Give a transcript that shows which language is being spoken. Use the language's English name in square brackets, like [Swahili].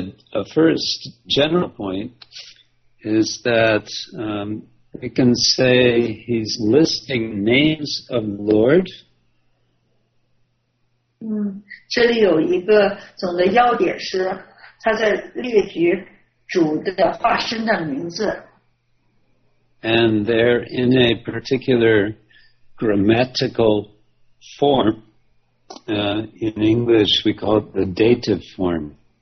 [English] A first general point is that we can say he's listing names of the Lord. [Chinese] 这里有一个总的要点是他在列举主的化身的名字。 [English] And they're in a particular grammatical form. In English, we call it the dative form.